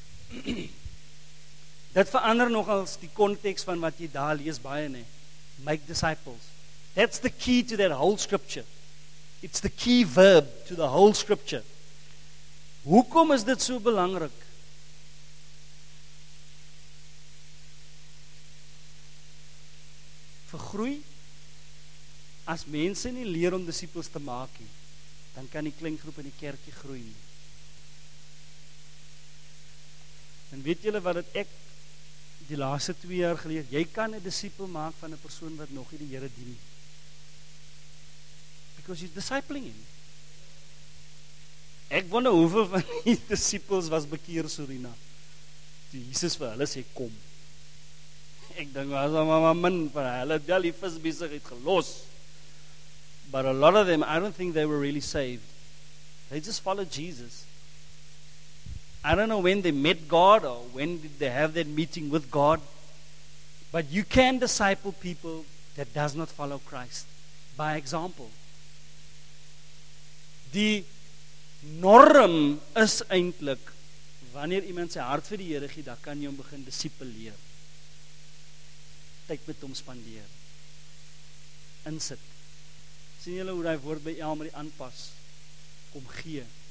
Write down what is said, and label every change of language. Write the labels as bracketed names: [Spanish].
[Afrikaans] Dit verander nogals die context van wat jy daar lees baie nie. [English] Make disciples. That's the key to that whole scripture. It's the key verb to the whole scripture. [Afrikaans] Hoekom is dit so belangrik? Vir groei, as mense nie leer om disciples te maak, dan kan die klinkgroep in die kerkie groei. En weet julle wat het ek die laaste 2 jaar geleer, jy kan een disciple maak van een persoon wat nog nie die Here dien. [English] Because he's discipling him. [Afrikaans] Ek wonder hoeveel van die disciples was bekeer Surina. Toe Jesus vir hulle sê kom. Ek dink was maar min van hulle het wel die visbesigheid gelos. [English] But a lot of them, I don't think they were really saved. They just followed Jesus. I don't know when they met God or when did they have that meeting with God. But you can disciple people that does not follow Christ by example. [Afrikaans] Die norm is eintlik wanneer iemand sy hart vir die Here gee, dan kan jy hom begin disipuleer. Tyd met hom spandeer. Insit. Sien julle hoe die woord by Elmarie aanpas? Kom gee.